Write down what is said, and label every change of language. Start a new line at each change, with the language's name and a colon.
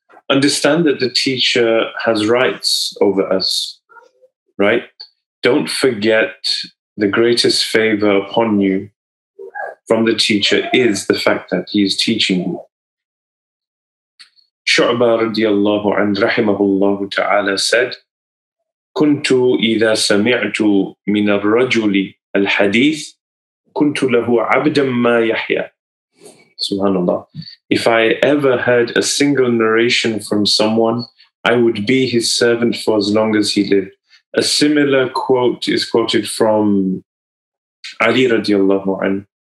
English: Understand that the teacher has rights over us, right? Don't forget the greatest favor upon you from the teacher is the fact that he is teaching you. Shu'bah radiallahu anhu rahimahullahu ta'ala said,
Arabic: كنت إذا سمعت من الرجل الحديث كنت له عبدا ما يحيى. Subhanallah.
English: If I ever heard a single narration from someone, I would be his servant for as long as he lived. A similar quote is quoted from Ali radiallahu anhu.